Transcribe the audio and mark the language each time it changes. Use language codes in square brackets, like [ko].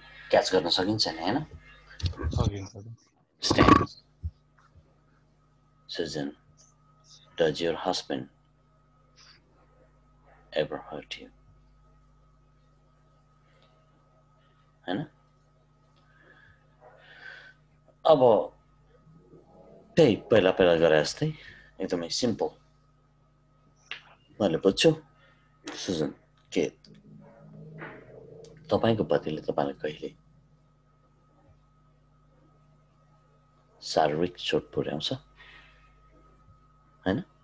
[ne] Catch गर्न सकिन्छ नि हैन सकिन्छ [en] Susan, does your husband ever hurt you? [ne] हैन अब त्यही पहिला पहिला गरे जस्तै एकदमै सिम्पल मैले बुझ्छु Susan, के तपाईँको पतिले तपाईँलाई कहिले शारीरिक चोट पुर्याउँछ होइन